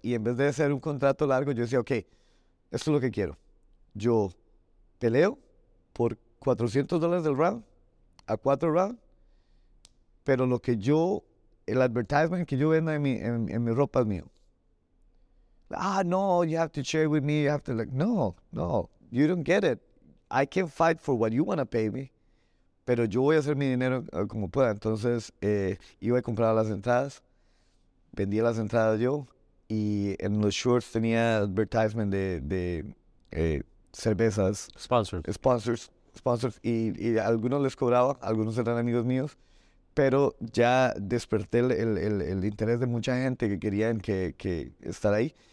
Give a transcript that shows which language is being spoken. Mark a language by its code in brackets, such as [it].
[es] Y en vez de hacer un contrato largo, yo decía, ok, esto es lo que quiero. Yo peleo por $400 del round a 4 rounds. Pero lo que yo, el advertisement que yo vendo en mi ropa es mío. [en] Ah, no, you have to share with me, you have to, like, no, you don't get it. I can fight for what you want to pay me, [es] pero yo voy a hacer mi dinero como pueda. Entonces, iba a comprar las entradas, vendía las entradas yo, y en los shorts tenía advertisement de cervezas. [en] Sponsors, [es] y a algunos les cobraba, algunos eran amigos míos. Pero ya desperté el interés de mucha gente que querían que estar ahí.